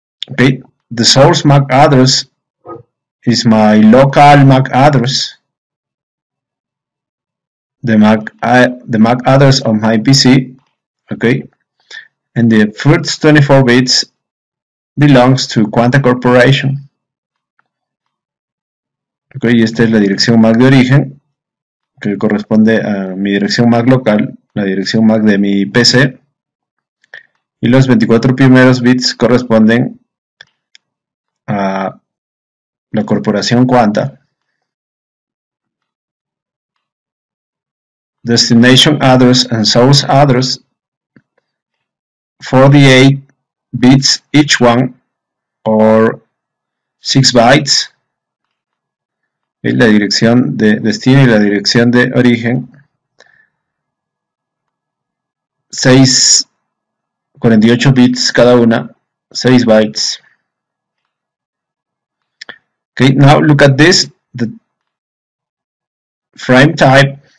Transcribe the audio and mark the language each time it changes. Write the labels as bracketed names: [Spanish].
[English] Okay, the source MAC address is my local MAC address. The MAC address of my PC. Okay, and the first 24 bits belongs to Quanta Corporation. [Spanish] Okay, esta es la dirección MAC de origen, que corresponde a mi dirección MAC local, la dirección MAC de mi PC. Y los 24 primeros bits corresponden a la corporación Quanta. [English] Destination address and source address, 48 bits each one, or 6 bytes. [Spanish] Y la dirección de destino y la dirección de origen, 6, 48 bits cada una, 6 bytes. [English] Okay, now look at this, the frame type.